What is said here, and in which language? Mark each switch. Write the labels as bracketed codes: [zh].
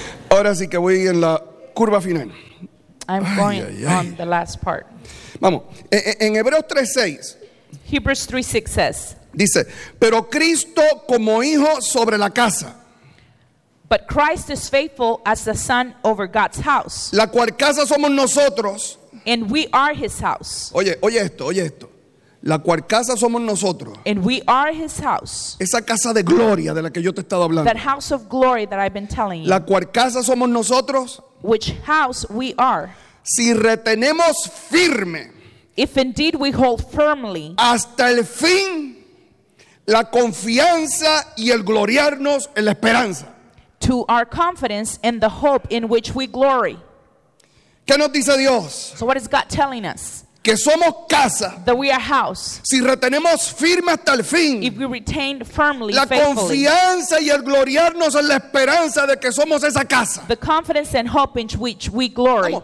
[es] Ahora sí que voy en la curva final. [en] I'm going on the last part. [es] Vamos, en Hebreos 3:6. [en] Hebrews 3:6 says. [es] Dice, pero Cristo como hijo sobre la casa. [en] But Christ is faithful as the son over God's house. [es] La cual casa somos nosotros. [en] And we are his house. [es] Oye esto. La cual casa somos nosotros. [en] And we are his house. [es] Esa casa de gloria de la que yo te he estado hablando. [en] That house of glory that I've been telling you. [es] La cual casa somos nosotros. [en] Which house we are. [es] Si retenemos firme. [en] If indeed we hold firmly [es] hasta el fin la confianza y el gloriarnos en la esperanza [en] to our confidence and the hope in which we glory. [es] ¿Qué nos dice Dios? [en] So what is God telling us? [es] Que somos casa. [en] That we are house. [es] Si retenemos firme hasta el fin [en] if we retain firmly [es] la [en] faithfully, [es] confianza y el gloriarnos en la esperanza de que somos esa casa. [en] The confidence and hope in which we glory.